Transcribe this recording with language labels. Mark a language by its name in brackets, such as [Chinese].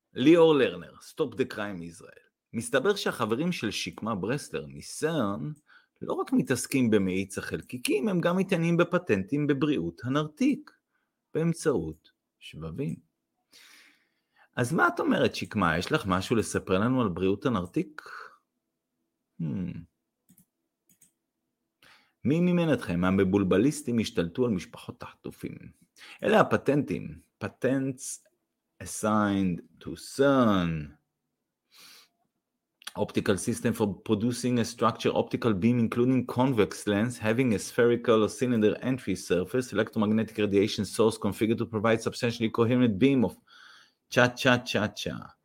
[Hebrew] ליאור לרנר, Stop the Crime Israel. מסתבר שהחברים של שקמה ברסלר מסרן לא רק מתעסקים במאיץ החלקיקים, הם גם מתעניינים בפטנטים בבריאות הנרתיק, באמצעות שבבים. אז מה את אומרת, שקמה, יש לך משהו לספר לנו על בריאות הנרתיק? מי ממן אתכם? המבולבליסטים השתלטו על משפחות תחטופים. אלה הפטנטים. [English] Patents assigned to CERN. Optical system for producing a structure, optical beam including convex lens, having a spherical or cylinder entry surface, electromagnetic radiation source configured to provide substantially coherent beam of צ'ה-צ'ה-צ'ה-צ'ה.